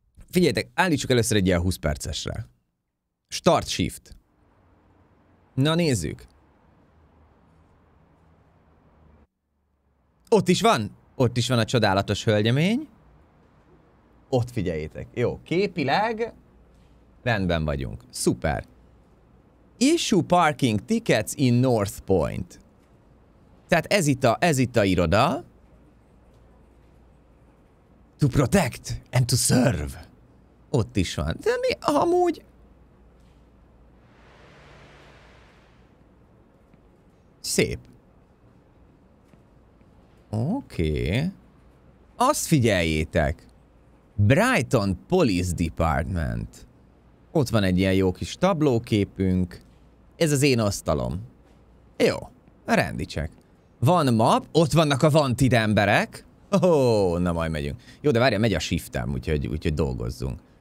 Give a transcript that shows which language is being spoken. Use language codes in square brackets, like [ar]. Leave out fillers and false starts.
[hu] Figyeljetek, állítsuk először egy ilyen 20 percesre. [en] Start shift. [hu] Na, nézzük. Ott is van. Ott is van a csodálatos hölgyemény. Ott figyeljétek. Jó, képileg rendben vagyunk. Szuper. [en] Issue parking tickets in North Point. [hu] Tehát ez itt a iroda. [en] To protect and to serve. [hu] Ott is van. De mi amúgy... Szép. Oké. Azt figyeljétek. [en] Brighton Police Department. [hu] Ott van egy ilyen jó kis tablóképünk. Ez az én asztalom. Jó. Rendítsek. Van map. Ott vannak a wanted emberek. Ó, na majd megyünk. Jó, de várjál, megy a shiftem, úgyhogy dolgozzunk.